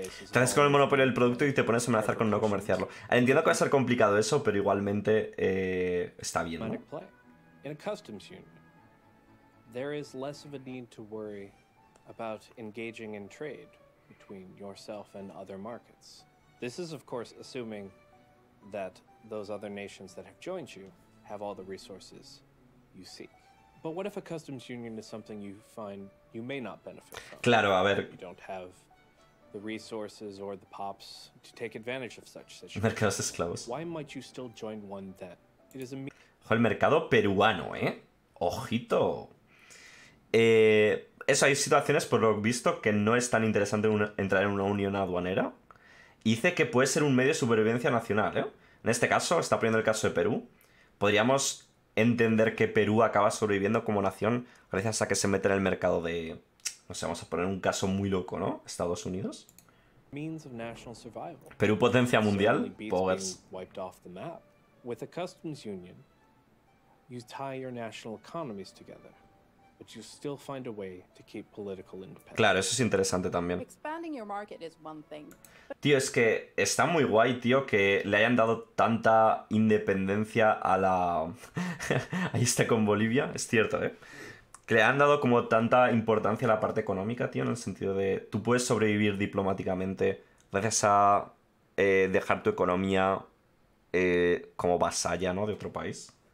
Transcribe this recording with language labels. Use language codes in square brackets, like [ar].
[es] Traes con el monopolio del producto y te pones a amenazar con no comerciarlo. Entiendo que va a ser complicado eso, pero igualmente está bien, ¿no? En una [en] customs union, there is less of a need to worry about engaging in trade between yourself and other markets. This is, of course, assuming that those other nations that have joined you have all the resources you seek. But what if a customs union is something you find you may not benefit from? [es] Claro, a ver. [en] You don't have the resources or the pops to take advantage of such situations. [es] Mercados esclavos. [en] Why might you still join one that it is a... [es] El mercado peruano, ¿eh? Ojito. Eso, hay situaciones, por lo visto, que no es tan interesante entrar en una unión aduanera. Dice que puede ser un medio de supervivencia nacional, ¿eh? En este caso, está poniendo el caso de Perú. Podríamos entender que Perú acaba sobreviviendo como nación gracias a que se mete en el mercado de... No sé, vamos a poner un caso muy loco, ¿no? Estados Unidos. [en] Means of national survival. [es] Perú potencia mundial. Pogers. [en] With a customs union, you tie your national economies together. But you still find a way to keep political independence. [es] Claro, eso es interesante también. [en] Expanding your market is one thing, but... [es] Tío, es que está muy guay, tío, que le hayan dado tanta independencia a la... Ahí está con Bolivia, es cierto, ¿eh? Que le han dado como tanta importancia a la parte económica, tío, en el sentido de... Tú puedes sobrevivir diplomáticamente gracias a dejar tu economía como vasalla, ¿no? De otro país.